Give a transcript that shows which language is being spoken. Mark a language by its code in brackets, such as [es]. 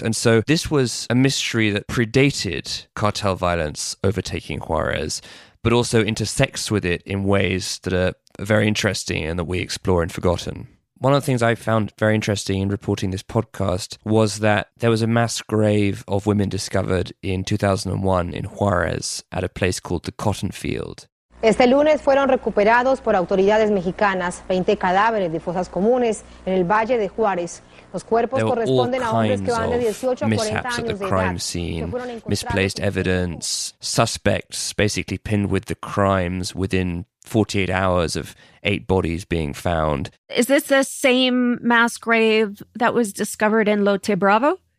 [en] And so this was a mystery that predated cartel violence overtaking Juarez, but also intersects with it in ways that are very interesting and that we explore in Forgotten. One of the things I found very interesting in reporting this podcast was that there was a mass grave of women discovered in 2001 in Juarez at a place called the Cotton Field. [es] Este lunes fueron recuperados por autoridades mexicanas 20 cadáveres de fosas comunes en el Valle de Juárez. [en] There were all kinds of mishaps at the crime scene, misplaced evidence, suspects basically pinned with the crimes within 48 hours of 8 bodies being found. Is this the same mass grave that was discovered in Lote Bravo?